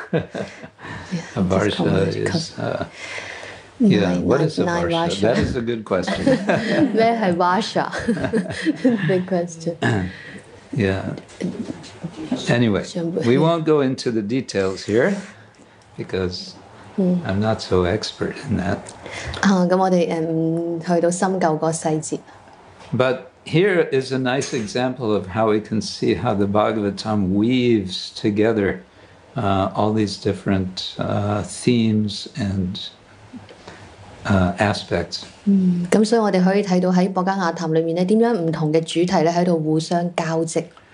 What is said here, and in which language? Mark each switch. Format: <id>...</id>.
<en>A Varsha is, yeah, what is a Varsha? That is a good question.</en> <yue>咩係 Varsha?</yue> <en>Big question. Yeah. Anyway, we won't go into the details here because I'm not so expert in that.</en> <yue>咁我哋去到深究個細節。</yue> <en>But here is a nice example of how we can see how the Bhagavatam weaves together all these different themes and aspects.</en> <yue>咁所以我哋可以睇到喺《博伽瓦談》裏面咧，點樣唔同嘅主題咧喺度互相交織。</yue>